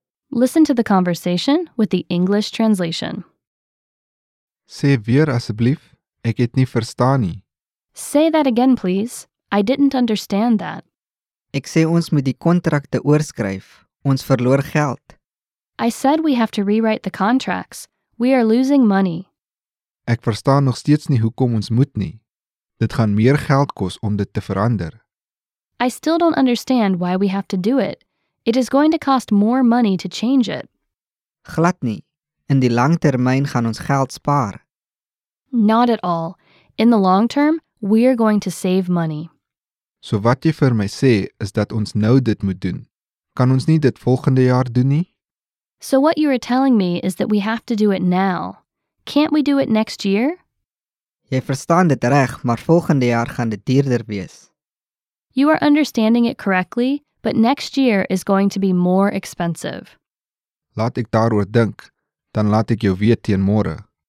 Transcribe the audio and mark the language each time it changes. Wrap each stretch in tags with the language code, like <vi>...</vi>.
<en>Listen to the conversation with the English translation.</en> <af>Sê weer asseblief, ek het nie verstaan nie.</af> <en>Say that again, please. I didn't understand that.</en> <af>Ek sê ons moet die kontrakte oorskryf. Ons verloor geld.</af> <en>I said we have to rewrite the contracts. We are losing money.</en> <af>Ek verstaan nog steeds nie hoekom ons moet nie. Dit gaan meer geld kos om dit te verander.</af> <en>I still don't understand why we have to do it. It is going to cost more money to change it.</en> <af>Glad nie. In die lang termyn gaan ons geld spaar.</af> <en>Not at all. In the long term, we are going to save money.</en> <af>So wat jy vir my sê, is dat ons nou dit moet doen. Kan ons nie dit volgende jaar doen nie?</af> <en>So what you are telling me is that we have to do it now. Can't we do it next year?</en> <af>Jy verstaan dit reg, maar volgende jaar gaan dit duurder wees.</af> <en>You are understanding it correctly, but next year is going to be more expensive.</en> <af>Laat ek daaroor dink, dan laat ek jou weet teen môre.</af>